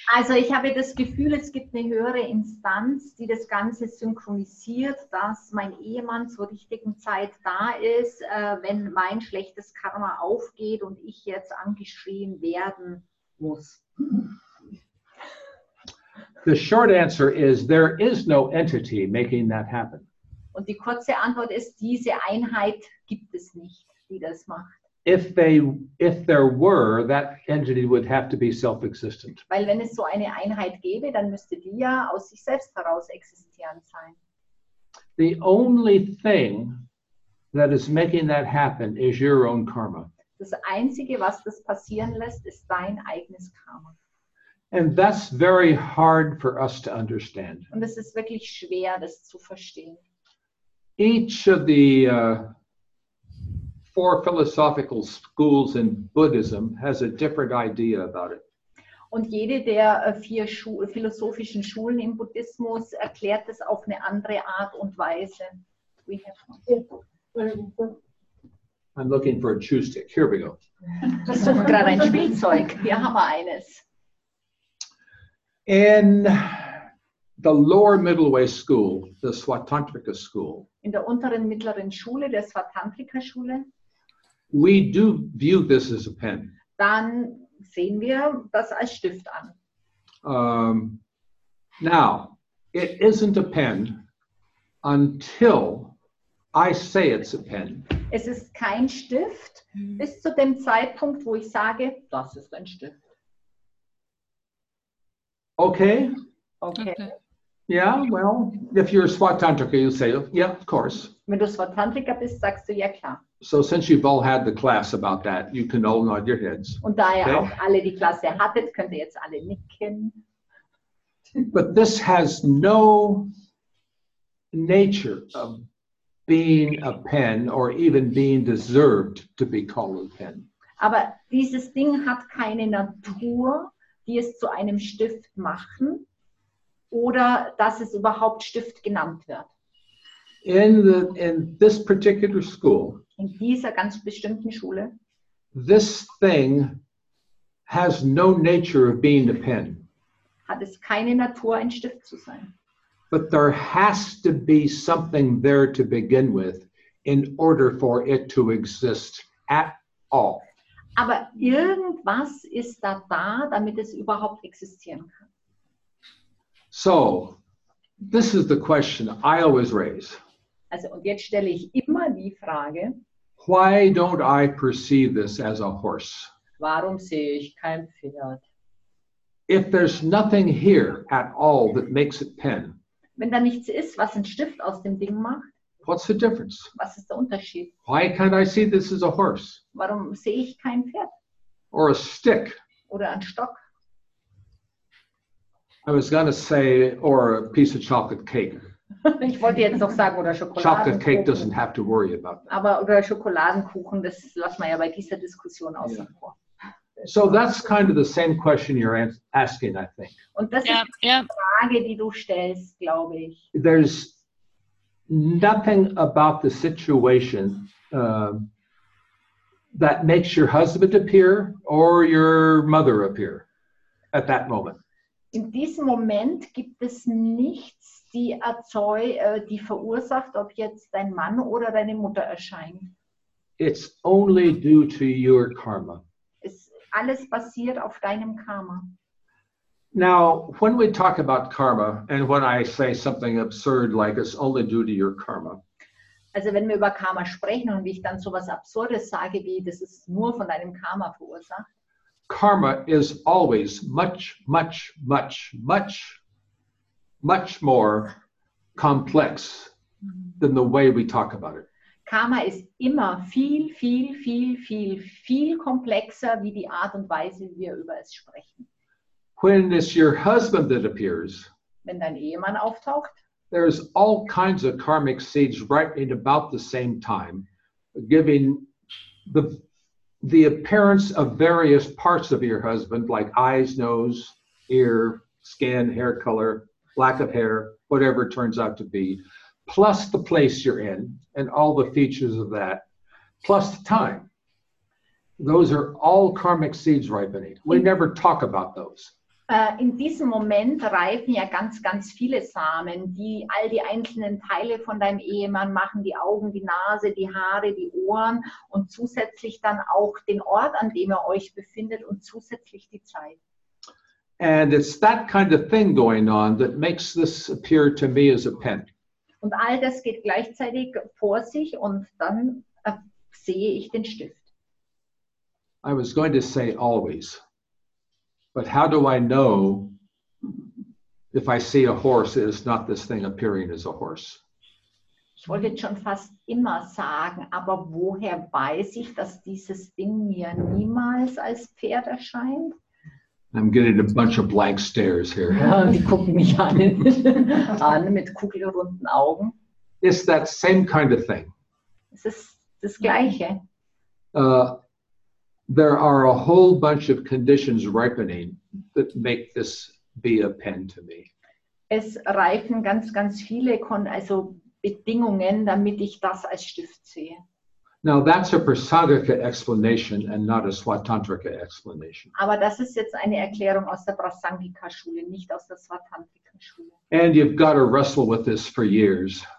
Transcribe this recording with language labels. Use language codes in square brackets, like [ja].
[de] also ich habe das Gefühl, es gibt eine höhere Instanz, die das Ganze synchronisiert, dass mein Ehemann zur richtigen Zeit da ist, wenn mein schlechtes Karma aufgeht und ich jetzt angeschrien werden muss. [en] The short answer is, there is no entity making that happen. [de] Und die kurze Antwort ist, diese Einheit gibt es nicht, die das macht. [en] If there were, that entity would have to be self-existent. [de] Weil wenn es so eine Einheit gäbe, dann müsste die ja aus sich selbst heraus existierend sein. [en] The only thing that is making that happen is your own karma. [de] Das Einzige, was das passieren lässt, ist dein eigenes Karma. [en] And that's very hard for us to understand. [de] Und es ist wirklich schwer, das zu verstehen. [en] Each of the four philosophical schools in Buddhism has a different idea about it. [de] Und jede der vier philosophischen Schulen im Buddhismus erklärt es auf eine andere Art und Weise. [en] We have one. I'm looking for a chew stick. Here we go. [de] Wir suchen gerade ein Spielzeug. Wir haben eines. [en] In the lower middle way school, the Swatantrika school. [de] In der unteren mittleren Schule, der Swatantrika Schule. [en] We do view this as a pen. [de] Dann sehen wir das als Stift an. [en] Now, it isn't a pen until I say it's a pen. [de] Es ist kein Stift bis zu dem Zeitpunkt, wo ich sage, das ist ein Stift. [en] Okay. [de] Okay. [en] Yeah, well, if you're a Swatantrika, you'll say, yeah, of course. [de] Wenn du Swatantrika bist, sagst du, ja, klar. [en] So since you've all had the class about that, you can all nod your heads. [de] Und da ihr auch alle die Klasse hattet, könnt ihr jetzt alle nicken. [en] But this has no nature of being a pen or even being deserved to be called a pen. [de] Aber dieses Ding hat keine Natur, die es zu einem Stift machen. Oder dass es überhaupt Stift genannt wird. [en] In this particular school. [de] In dieser ganz bestimmten Schule. [en] This thing has no nature of being a pen. [de] Hat es keine Natur, ein Stift zu sein. [en] But there has to be something there to begin with, in order for it to exist at all. [de] Aber irgendwas ist da, damit es überhaupt existieren kann. [en] So, this is the question I always raise. [de] Also, und jetzt stelle ich immer die Frage, [en] why don't I perceive this as a horse? [de] Warum sehe ich kein Pferd? [en] If there's nothing here at all that makes it pen, [de] wenn da nichts ist, was ein Stift aus dem Ding macht, [en] what's the difference? [de] Was ist der Unterschied? [en] Why can't I see this as a horse? [de] Warum sehe ich kein Pferd? [en] Or a stick? [de] Oder ein Stock? [en] I was going to say, or a piece of chocolate cake. [de] Ich wollte jetzt noch sagen, oder Schokoladenkuchen. [en] Chocolate cake doesn't have to worry about that. [de] Aber oder Schokoladenkuchen, das lassen wir ja bei dieser Diskussion außen vor. [en] So that's kind of the same question you're asking, I think. [de] Und das ist die Frage, die du stellst, glaube ich. [en] There's nothing about the situation that makes your husband appear or your mother appear. at that moment. [de] In diesem Moment gibt es nichts, die verursacht, ob jetzt dein Mann oder deine Mutter erscheint. [en] It's only due to your karma. [de] Es alles basiert auf deinem Karma. [en] Now, when we talk about karma, and when I say something absurd like it's only due to your karma. [de] Also wenn wir über Karma sprechen und ich dann so was Absurdes sage, wie das ist nur von deinem Karma verursacht. [en] Karma is always much, much, much, much, much more complex than the way we talk about it. [de] Karma ist immer viel, viel, viel, viel, viel komplexer wie die Art und Weise, wie wir über es sprechen. [en] When it's your husband that appears, [de] wenn dein Ehemann auftaucht, [en] there's all kinds of karmic seeds right in about the same time, giving the appearance of various parts of your husband, like eyes, nose, ear, skin, hair color, lack of hair, whatever it turns out to be, plus the place you're in and all the features of that, plus the time. Those are all karmic seeds ripening. We never talk about those. [de] In diesem Moment reifen ja ganz, ganz viele Samen, die all die einzelnen Teile von deinem Ehemann machen, die Augen, die Nase, die Haare, die Ohren und zusätzlich dann auch den Ort, an dem er euch befindet und zusätzlich die Zeit. [en] And it's that kind of thing going on that makes this appear to me as a pen. [de] Und all das geht gleichzeitig vor sich und dann sehe ich den Stift. [en] I was going to say always. But how do I know if I see a horse, it is not this thing appearing as a horse? [de] Ich wollte jetzt schon fast immer sagen, aber woher weiß ich, dass dieses Ding mir niemals als Pferd erscheint? [en] I'm getting a bunch of blank stares here. [de] Ja, die gucken mich an mit kugelrunden Augen. [en] It's that same kind of thing. [de] Es ist das Gleiche. [en] There are a whole bunch of conditions ripening that make this be a pen to me. [de] Es reifen ganz, ganz viele Bedingungen, damit ich das als Stift sehe. [en] Now that's a prasangika explanation and not a swatantrika explanation. [de] Aber das ist jetzt eine Erklärung aus der Prasangika-Schule, nicht aus der Swatantrika-Schule. [en] And you've got to wrestle with this for years.